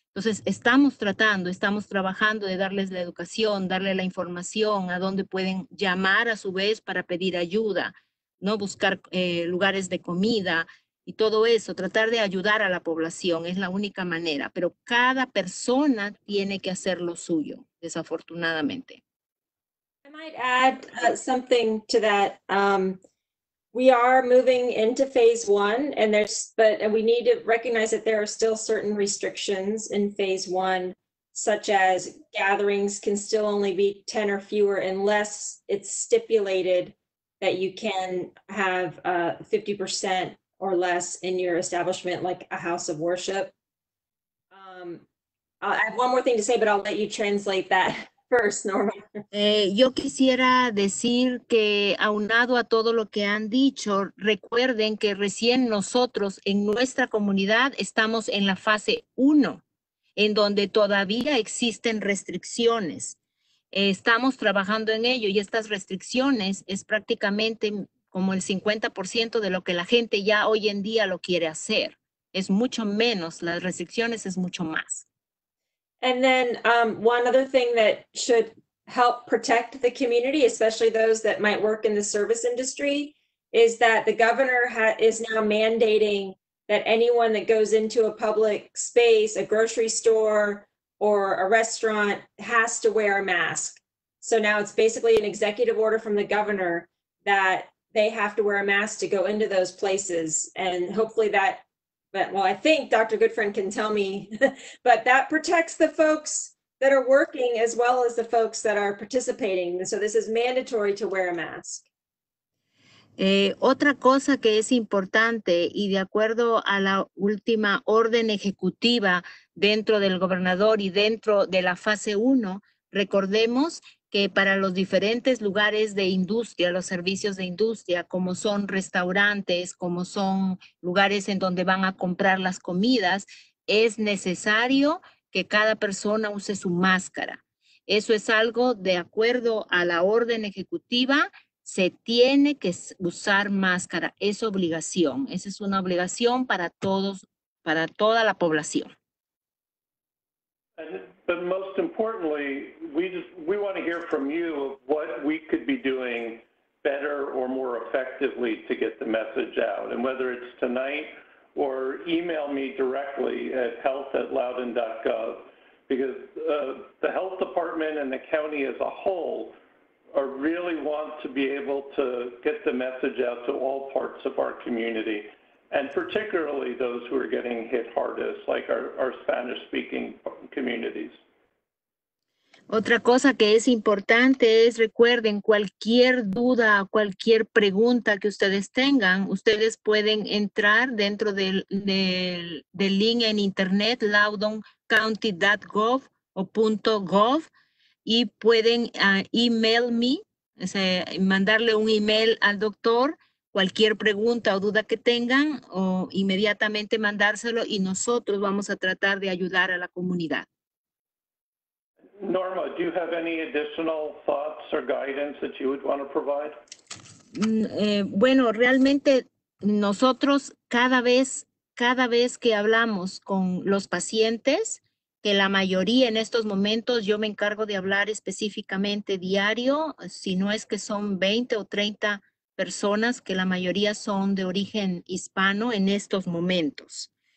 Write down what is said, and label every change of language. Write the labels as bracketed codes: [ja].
[es] Entonces estamos trabajando de darles la educación, darle la información a dónde pueden llamar a su vez para pedir ayuda, ¿no? Buscar lugares de comida y todo eso, tratar de ayudar a la población es la única manera, pero cada persona tiene que hacer lo suyo, desafortunadamente. [en] I might add something to that. We are moving into phase one, and we need to recognize that there are still certain restrictions in phase one, such as gatherings can still only be 10 or fewer unless it's stipulated that you can have 50% or less in your establishment, like a house of worship. I have one more thing to say, but I'll let you translate that. first, Norma. [es] Yo quisiera decir que aunado a todo lo que han dicho, recuerden que recién nosotros en nuestra comunidad estamos en la fase 1, en donde todavía existen restricciones. Estamos trabajando en ello y estas restricciones es prácticamente como el 50% de lo que la gente ya hoy en día lo quiere hacer. Es mucho menos, las restricciones es mucho más. [en] And then one other thing that should help protect the community, especially those that might work in the service industry, is that the governor is now mandating that anyone that goes into a public space, a grocery store, or a restaurant has to wear a mask. So now it's basically an executive order from the governor that they have to wear a mask to go into those places. And hopefully that, but well, I think Dr. Goodfriend can tell me, but that protects the folks that are working as well as the folks that are participating. So this is mandatory to wear a mask. [es] Otra cosa que es importante y de acuerdo a la última orden ejecutiva dentro del gobernador y dentro de la fase 1, recordemos que para los diferentes lugares de industria, los servicios de industria, como son restaurantes, como son lugares en donde van a comprar las comidas, es necesario que cada persona use su máscara. Eso es algo de acuerdo a la orden ejecutiva, se tiene que usar máscara, es obligación. Esa es una obligación para todos, para toda la población. [en] But most importantly, we want to hear from you of what we could be doing better or more effectively to get the message out. And whether it's tonight or email me directly at health@loudoun.gov, because the health department and the county as a whole are really want to be able to get the message out to all parts of our community, and particularly those who are getting hit hardest, like our Spanish-speaking communities. [es] Otra cosa que es importante es, recuerden, cualquier duda, cualquier pregunta que ustedes tengan, ustedes pueden entrar dentro del link en internet, loudouncounty.gov o .gov, y pueden [en] email me, [es] o sea, mandarle un email al doctor, cualquier pregunta o duda que tengan, o inmediatamente mandárselo y nosotros vamos a tratar de ayudar a la comunidad. [en] Norma, do you have any additional thoughts or guidance that you would want to provide? [es] Bueno, realmente nosotros cada vez que hablamos con los pacientes, que la mayoría en estos momentos yo me encargo de hablar específicamente diario, si no es que son 20 o 30 personas, que la mayoría son de origen hispano en estos momentos.